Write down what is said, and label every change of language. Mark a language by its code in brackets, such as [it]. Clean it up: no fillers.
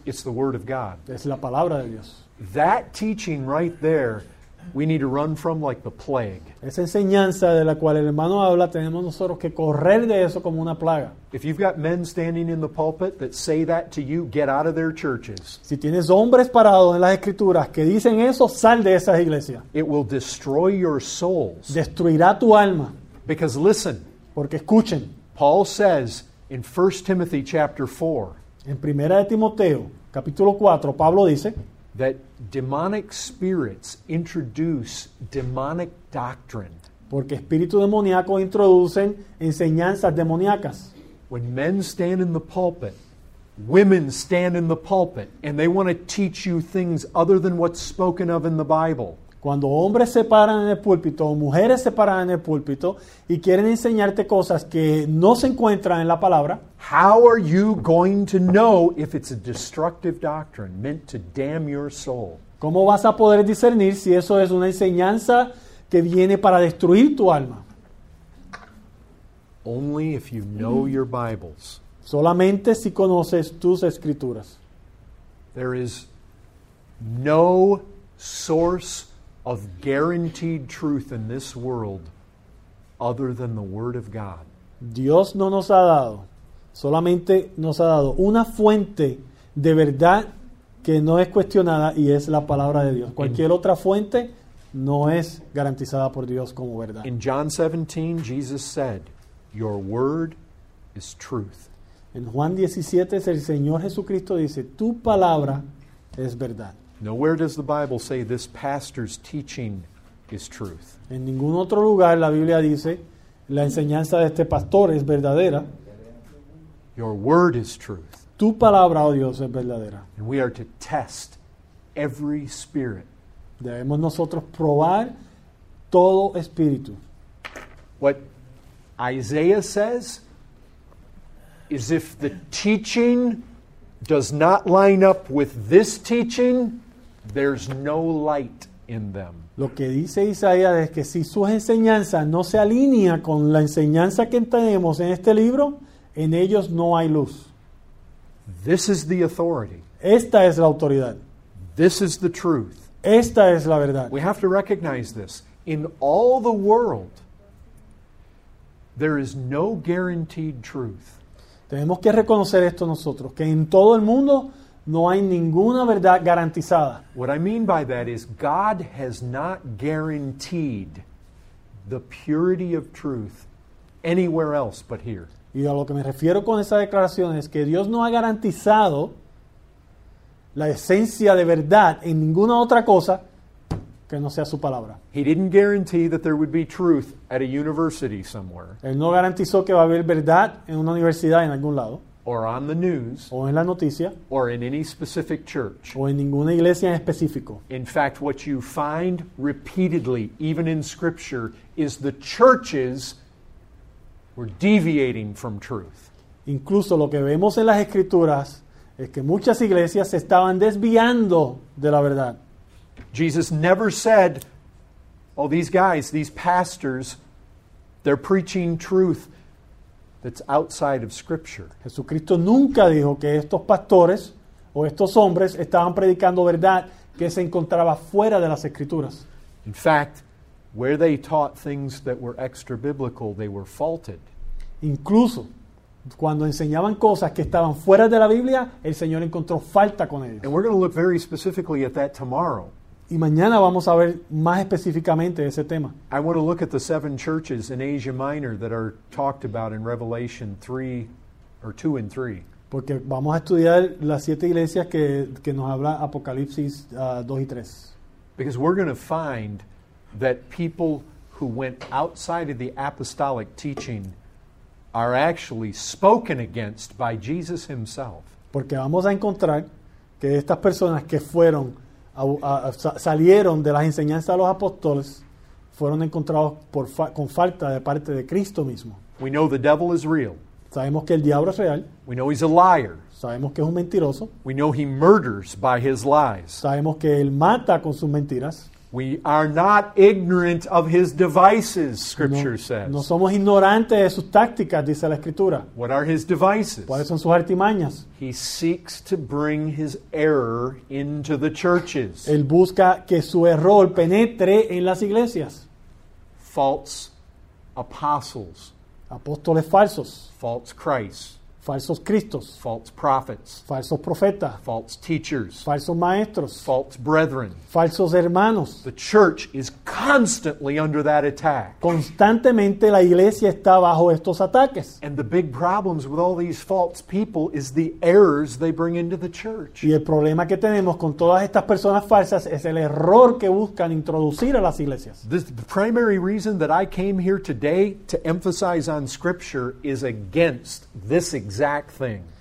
[en] It's the Word of God. [es] Es la palabra de Dios. [en] That teaching right there, we need to run from like the plague. [es] Esa enseñanza de la cual el hermano habla, tenemos nosotros que correr de eso como una plaga. [en] If you've got men standing in the pulpit that say that to you, get out of their churches. [es] Si tienes hombres parados en las escrituras que dicen eso, sal de esas iglesias. [en] It will destroy your souls. [es] Destruirá tu alma. [en] Because listen. [es] Porque escuchen. [en] Paul says in 1 Timothy chapter 4. [es] En Primera de Timoteo, capítulo 4, Pablo dice [en] that demonic spirits introduce demonic doctrine. [es] Porque espíritus demoníacos introducen enseñanzas demoníacas. [en] When men stand in the pulpit, women stand in the pulpit, and they want to teach you things other than what's spoken of in the Bible. [es] Cuando hombres se paran en el púlpito o mujeres se paran en el púlpito y quieren enseñarte cosas que no se encuentran en la palabra, [en] how are you going to know if it's a destructive doctrine meant to damn your soul? [es] ¿Cómo vas a poder discernir si eso es una enseñanza que viene para destruir tu alma? [en] Only if you know your Bibles. [es] Solamente si conoces tus escrituras. [en] There is no source of guaranteed truth in this world other than the Word of God. [es] Dios no nos ha dado, solamente nos ha dado una fuente de verdad que no es cuestionada y es la palabra de Dios. Cualquier otra fuente no es garantizada por Dios como verdad. [en] In John 17, Jesus said, "Your word is truth." [es] En Juan 17, el Señor Jesucristo dice, "Tu palabra es verdad." [en] Nowhere does the Bible say this pastor's teaching is truth. [es] En ningún otro lugar la Biblia dice la enseñanza de este pastor es verdadera. [en] Your word is truth. [es] Tu palabra, oh Dios, es verdadera. [en] And we are to test every spirit. [es] Debemos nosotros probar todo espíritu. [en] What Isaiah says is if the teaching does not line up with this teaching, there's no light in them. [es] Lo que dice Isaías es que si su enseñanza no se alinea con la enseñanza que tenemos en este libro, en ellos no hay luz. [en] This is the authority. [es] Esta es la autoridad. [en] This is the truth. [es] Esta es la verdad. [en] We have to recognize this. In all the world, there is no guaranteed truth. [es] Tenemos que reconocer esto nosotros, que en todo el mundo no hay ninguna verdad garantizada. [en] What I mean by that is God has not guaranteed the purity of truth anywhere else but here. [es] Y a lo que me refiero con esa declaración es que Dios no ha garantizado la esencia de verdad en ninguna otra cosa que no sea su palabra. [en] He didn't guarantee that there would be truth at a university somewhere. [es] Él no garantizó que va a haber verdad en una universidad en algún lado. [en] Or on the news. [es] O en la noticia. [en] Or in any specific church. [es] O en ninguna iglesia en específico. [en] In fact, what you find repeatedly, even in Scripture, is the churches were deviating from truth. [es] Incluso lo que vemos en las Escrituras es que muchas iglesias se estaban desviando de la verdad. [en] Jesus never said, oh, these guys, these pastors, they're preaching truth that's outside of Scripture. [es] Jesucristo nunca dijo que estos pastores o estos hombres estaban predicando verdad que se encontraba fuera de las Escrituras. [en] In fact, where they taught things that were extra-biblical, they were faulted. [es] Incluso cuando enseñaban cosas que estaban fuera de la Biblia, el Señor encontró falta con ellos. [en] And we're going to look very specifically at that tomorrow. [es] Y mañana vamos a ver más específicamente ese tema. [en] I want to look at the seven churches in Asia Minor that are talked about in Revelation 3, or 2 and 3. [es] Porque vamos a estudiar las siete iglesias que nos habla Apocalipsis 2 y 3. [en] Because we're going to find that people who went outside of the apostolic teaching are actually spoken against by Jesus himself. [es] Porque vamos a encontrar que estas personas que fueron salieron de las enseñanzas de los apóstoles fueron encontrados con falta de parte de Cristo mismo. [en] We know the devil is real. [es] Sabemos que el diablo es real. [en] We know he's a liar. [es] Sabemos que es un mentiroso. [en] We know he murders by his lies. [es] Sabemos que él mata con sus mentiras. [en] We are not ignorant of his devices, Scripture says. [es] No somos ignorantes de sus tácticas, dice la Escritura. [en] What are his devices? [es] ¿Cuáles son sus artimañas? [en] He seeks to bring his error into the churches. [es] Él busca que su error penetre en las iglesias. [en] False apostles. [es] Apóstoles falsos. [en] False Christ. [es] Falsos Cristos. [en] False prophets. [es] Falsos profetas. [en] False teachers. [es] Falsos maestros. [en] False brethren. [es] Falsos hermanos. [en] The church is constantly under that attack. [es] Constantemente la iglesia está bajo estos ataques. [en] And the big problems with all these false people is the errors they bring into the church. [es] Y el problema que tenemos con todas estas personas falsas es el error que buscan introducir a las iglesias. [en] The primary reason that I came here today to emphasize on Scripture is against this exact thing.